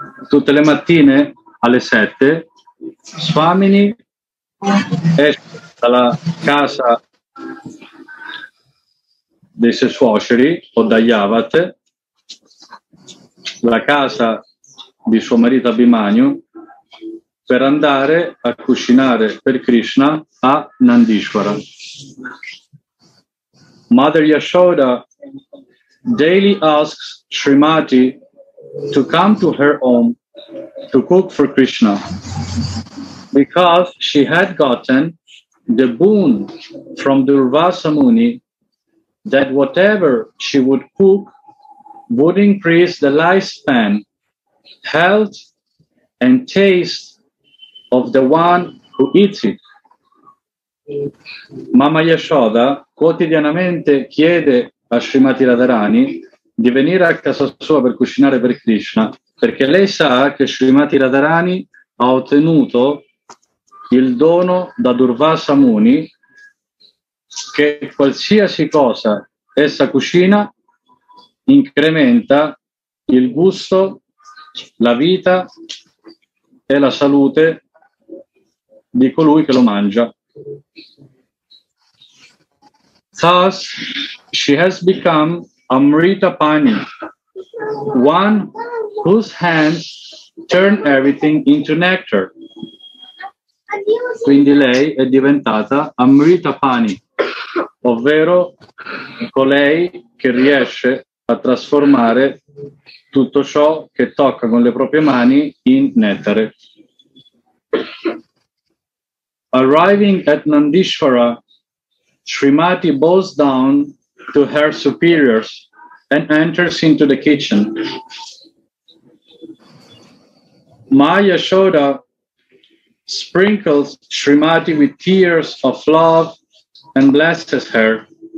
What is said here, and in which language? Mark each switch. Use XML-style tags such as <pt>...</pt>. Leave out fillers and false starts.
<it>Tutte le mattine alle 7 Swamini esce dalla casa dei suoi suoceri o da Yavat, la casa di suo marito Abhimanyu, per andare a cucinare per Krishna a Nandishvara.</it> <en>Mother Yashoda daily asks Srimati to come to her home to cook for Krishna, because she had gotten the boon from Durvasa Muni that whatever she would cook would increase the lifespan, health, and taste of the one who eats it.</en> <it>Mama Yashoda quotidianamente chiede a Srimati Radharani di venire a casa sua per cucinare per Krishna, perché lei sa che Srimati Radharani ha ottenuto il dono da Durvasa Muni che qualsiasi cosa essa cucina incrementa il gusto, la vita e la salute di colui che lo mangia.</it> <en>Thus, she has become Amrita Pani, one whose hands turn everything into nectar.</en> <it>Quindi lei è diventata Amrita Pani, ovvero colei che riesce a trasformare tutto ciò che tocca con le proprie mani in nettare.</it> <en>Arriving at Nandishvara, Srimati bows down to her superiors and enters into the kitchen. Ma Yashoda sprinkles Srimati with tears of love and blesses her.</en>